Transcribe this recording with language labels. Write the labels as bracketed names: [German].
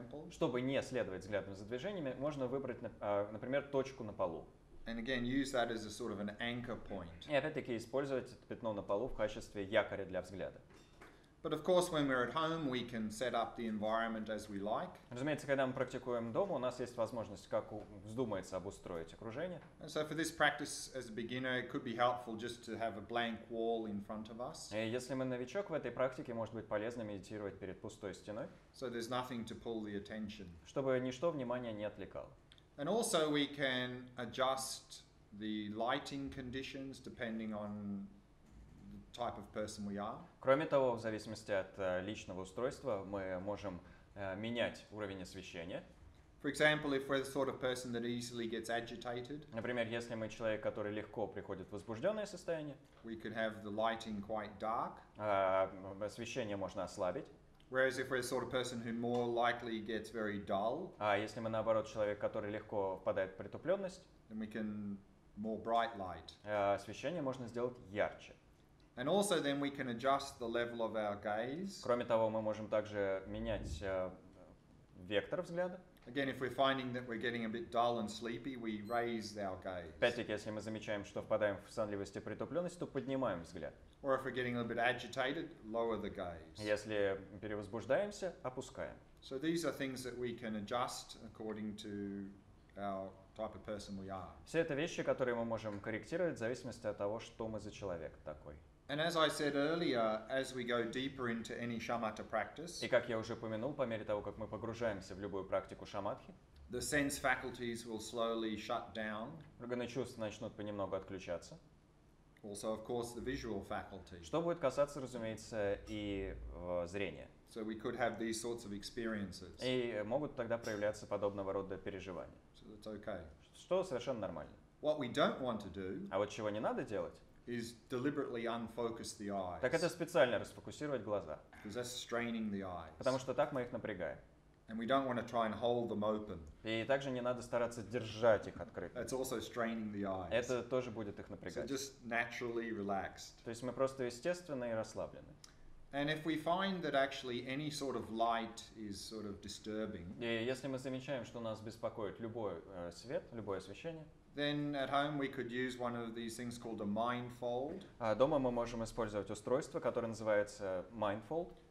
[Russian] Чтобы не следовать взглядом за движениями, можно выбрать, например, точку на полу. [English] And again, use that as a sort of an anchor point. [Russian] И опять-таки использовать это пятно на полу в качестве якоря для взгляда. [English] But of course, when we're at home, we can set up the environment as we like. [Russian] Разумеется, когда мы практикуем дома, у нас есть возможность, как вздумается, обустроить окружение. [English] And so for this practice as a beginner, it could be helpful just to have a blank wall in front of us. [Russian] И если мы новичок, в этой практике может быть полезно медитировать перед пустой стеной. [English] So there's nothing to pull the attention. [Russian] Чтобы ничто внимание не отвлекало. [English] And also we can adjust the lighting conditions depending on type of person we are. [Russian] Кроме того, в зависимости от личного устройства, мы можем менять уровень освещения. [English] For example, if we're the sort of person that easily gets agitated. [Russian] Например, если мы человек, который легко приходит в возбужденное состояние. [English] We could have the lighting quite dark. [Russian] Освещение можно ослабить. [English] Whereas if we're the sort of person who more likely gets very dull. [Russian] А если мы наоборот человек, который легко впадает в притупленность. [English] Then we can more bright light. [Russian] Освещение можно сделать ярче. [English] And also then we can adjust the level of our gaze. [Russian] Кроме того, мы можем также менять вектор взгляда. [English] Again, if we're finding that we're getting a bit dull and sleepy, we raise our gaze. [Russian] Опять-таки, если мы замечаем, что впадаем в сонливость и притупленность, то поднимаем взгляд. [English] Or if we're getting a little bit agitated, lower the gaze. [Russian] Если перевозбуждаемся, опускаем. [English] So these are things that we can adjust according to our type of person we are. [Russian] Все это вещи, которые мы можем корректировать в зависимости от того, что мы за человек такой. [English] And as I said earlier, as we go deeper into any shamatha practice, [Russian] и как я уже упомянул, по мере того, как мы погружаемся в любую практику шаматхи, [English] the sense faculties will slowly shut down. [Russian] Органы чувств начнут понемногу отключаться. [English] Also, of course, the visual faculty. [Russian] Что будет касаться, разумеется, и зрения. [English] So we could have these sorts of experiences. [Russian] И могут тогда проявляться подобного рода переживания. [English] So that's okay. [Russian] Что совершенно нормально. [English] What we don't want to do. [Russian] А вот чего не надо делать. [English] Is deliberately unfocus the eyes. [Russian] Так это специально расфокусировать глаза. [English] Because that's straining the eyes. [Russian] Потому что так мы их напрягаем. [English] And we don't want to try and hold them open. [Russian] И также не надо стараться держать их открытыми. [English] It's also straining the eyes. [Russian] Это тоже будет их напрягать. [English] So just naturally relaxed. [Russian] То есть мы просто естественно и расслаблены. [English] And if we find that actually any sort of light is sort of disturbing. [Russian] И если мы замечаем, что нас беспокоит любой свет, любое освещение. [English] Then at home we could use one of these things called a mindfold. [Russian] Дома мы можем использовать устройство, которое называется mindfold.